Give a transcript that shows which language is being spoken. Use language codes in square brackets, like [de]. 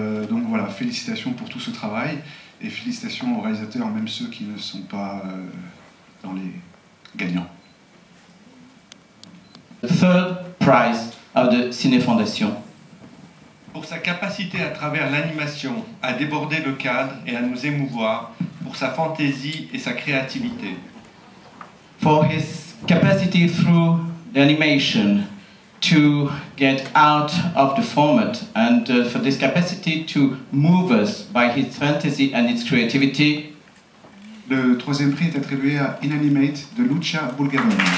[fr] Donc voilà, félicitations pour tout ce travail et félicitations aux réalisateurs, même ceux qui ne sont pas dans les gagnants. [en] The third prize of the Cinéfondation. [fr] Pour sa capacité à travers l'animation à déborder le cadre et à nous émouvoir, pour sa fantaisie et sa créativité. [en] For his capacity through the animation to get out of the format and for this capacity to move us by his fantasy and its creativity. [fr] Le troisième prix est attribué à Inanimate de Lucia, Bulgheroni.